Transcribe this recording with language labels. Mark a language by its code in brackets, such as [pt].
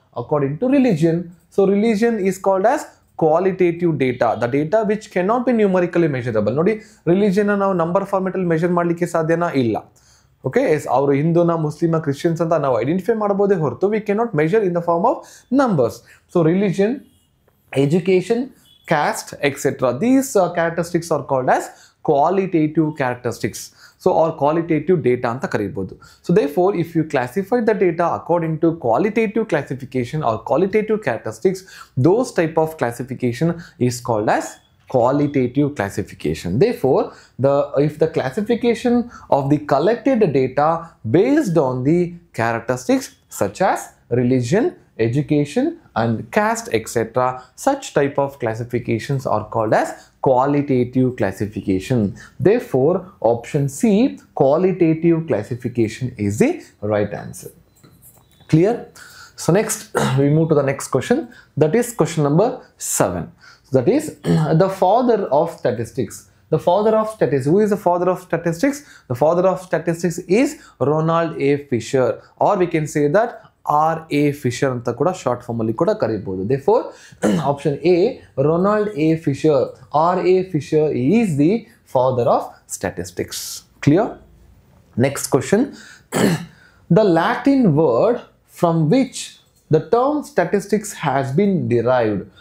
[en] According to religion. So religion is called as qualitative data, the data which cannot be numerically measurable. [kn] ನೋಡಿ, ರಿಲಿಜಿಯನ್ನ ನಾವು number ಫಾರ್ಮೆಟಲ್ಲಿ measure ಮಾಡಲಿಕ್ಕೆ ಸಾಧ್ಯನಾ? ಇಲ್ಲ. Okay, S, ಅವರು ಹಿಂದೂನ, ಮುಸ್ಲಿಮ, Christians ಅಂತ ನಾವು ಐಡೆಂಟಿಫೈ ಮಾಡ್ಬೋದೇ ಹೊರತು [en] We cannot measure in the form of numbers. So religion, education, caste etcetera, these characteristics are called as qualitative characteristics. So or qualitative data [kn] ಅಂತ ಕರಿಬೋದು. [en] So therefore if you classify the data according to qualitative classification or qualitative characteristics, those type of classification is called as qualitative classification. Therefore if the classification of the collected data based on the characteristics such as religion, education and caste etcetera, such type of classifications are called as qualitative classification. Therefore, option C, qualitative classification, is the right answer. Clear? So next, we move to the next question. That is question number 7. So that is the father of statistics. The father of statistics. Who is the father of statistics? The father of statistics is Ronald A. Fisher. Or we can say that R.A. Fisher [kn] ಅಂತ ಕೂಡ short ಫಾರ್ಮಲ್ಲಿ ಕೂಡ ಕರಿಬೋದು. [en] Therefore option A, Ronald A Fisher, R A Fisher is the father of statistics. Clear? Next question, the Latin word from which the term statistics has been derived.